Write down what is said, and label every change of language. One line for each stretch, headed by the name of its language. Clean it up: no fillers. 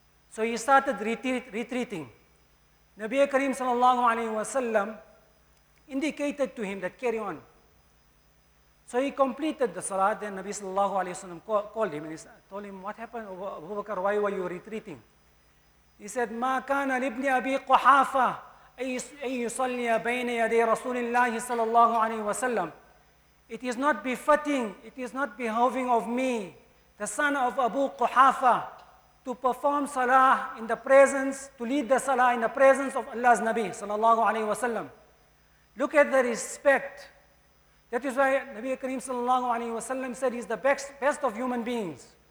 English: So he started retreating. Nabi Kareem sallallahu alayhi wa sallam indicated to him that carry on. So he completed the salah, then Nabi sallallahu alayhi wa sallam called him and he told him, what happened, Abu Bakr, why were you retreating? He said,
Arabic: ما كان لابن أبي قحافة أن يصلي بين يدي رسول الله صلى الله عليه وسلم.
English: It is not befitting, it is not behoving of me, the son of Abu Quhafa, to perform salah in the presence, to lead the salah in the presence of Allah's Nabi صلى الله عليه وسلم. Look at the respect. That is why Nabi Kareem صلى الله عليه وسلم said he's the best of human beings.